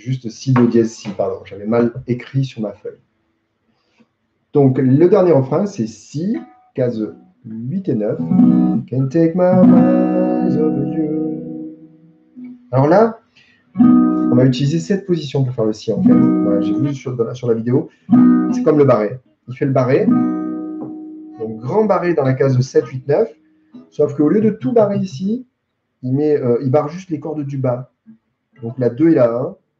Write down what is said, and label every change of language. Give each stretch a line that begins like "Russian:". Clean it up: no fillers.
French: Si do dièse si, pardon, j'avais mal écrit sur ma feuille. Donc le dernier refrain, c'est si, case 8 et 9.
English: Can't take my eyes off you.
French: Alors là, on va utiliser cette position pour faire le si en fait. Voilà, j'ai vu sur la vidéo, c'est comme le barré. Il fait le barré, donc grand barré dans la case 7, 8, 9. Sauf qu'au lieu de tout barrer ici, il barre juste les cordes du bas. Donc la 2 et la 1.